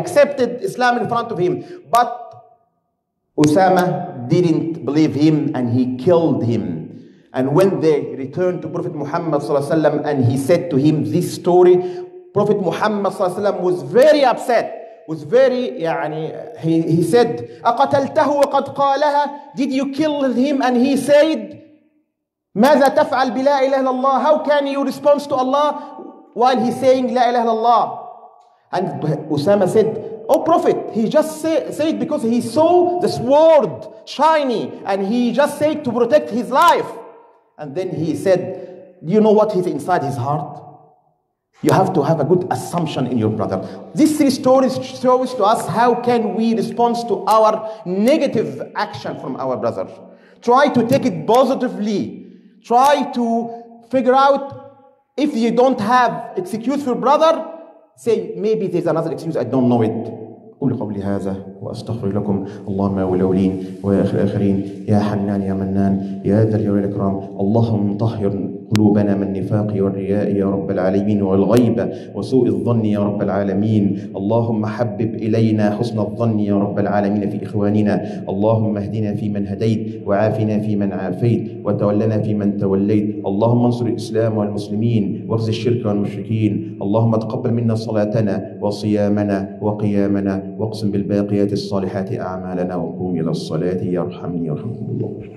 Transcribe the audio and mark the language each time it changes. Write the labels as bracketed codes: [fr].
[en] He accepted Islam in front of him, but Usama didn't believe him and he killed him. And when they returned to Prophet Muhammad sallallahu alaihi wasallam and he said to him this story, Prophet Muhammad sallallahu alaihi wasallam was very upset, was very, he said, [ar] أَقَتَلْتَهُ وَقَدْ قَالَهَا. [en] Did you kill him? And he said, [ar] ماذا تفعل بلا إله الله? [en] How can you respond to Allah while he's saying [ar] لا إله الله? [en] And Usama said, oh Prophet, he just said because he saw the sword shiny and he just said to protect his life. And then he said, do you know what is inside his heart? You have to have a good assumption in your brother. These three stories show to us how can we respond to our negative action from our brother. Try to take it positively. Try to figure out if you don't have excuse for brother, say maybe there's another excuse, I don't know it. [ar] قل قولي هذا وأستغفر لكم اللهم يا الأولين ويا الآخرين يا حنان يا منان يا ذا الجلال والإكرام اللهم طهر قلوبنا من النفاق والرياء يا رب العالمين والغيبة وسوء الظن يا رب العالمين اللهم حبب إلينا حسن الظن يا رب العالمين في إخواننا اللهم اهدنا في من هديت وعافنا في من عافيت وتولنا في من توليت اللهم انصر الإسلام والمسلمين وارز الشرك والمشركين اللهم تقبل منا صلاتنا وصيامنا وقيامنا واقسم بالباقيات الصالحات أعمالنا وقوم إلى الصلاة يرحمني يرحمكم الله.